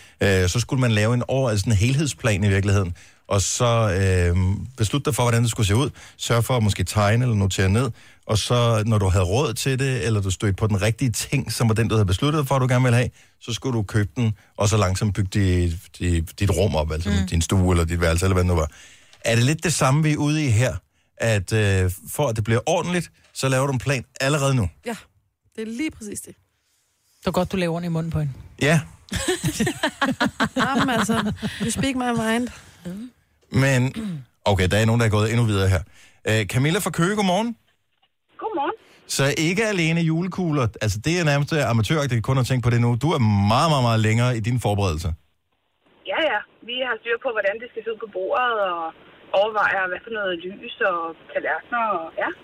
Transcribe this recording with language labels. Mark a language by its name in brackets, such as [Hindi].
[Danish] Så skulle man lave en over, altså en helhedsplan i virkeligheden, og så beslutte dig for, hvordan det skulle se ud, sørge for at måske tegne eller notere ned, og så når du havde råd til det, eller du stødte på den rigtige ting, som var den, du havde besluttet for, du gerne ville have, så skulle du købe den, og så langsomt bygge dit rum op, altså din stue eller dit værelse, eller hvad det nu var. Er det lidt det samme, vi er ude i her, at for at det bliver ordentligt, så laver du en plan allerede nu? Ja, det er lige præcis det. Så godt, du laver ordentligt i munden på hende. Ja. [English] Jamen altså, you speak my mind. [Danish] Men, okay, der er nogen, der er gået endnu videre her. Camilla fra Køge, godmorgen. Godmorgen. Så ikke alene julekugler, altså det er nærmest amatøragtigt kun at tænke på det nu. Du er meget, meget, meget længere i dine forberedelser. Ja, ja. Vi har styr på, hvordan det skal se ud på bordet, og overvejer, hvad for noget lys og tallerkener, og ja.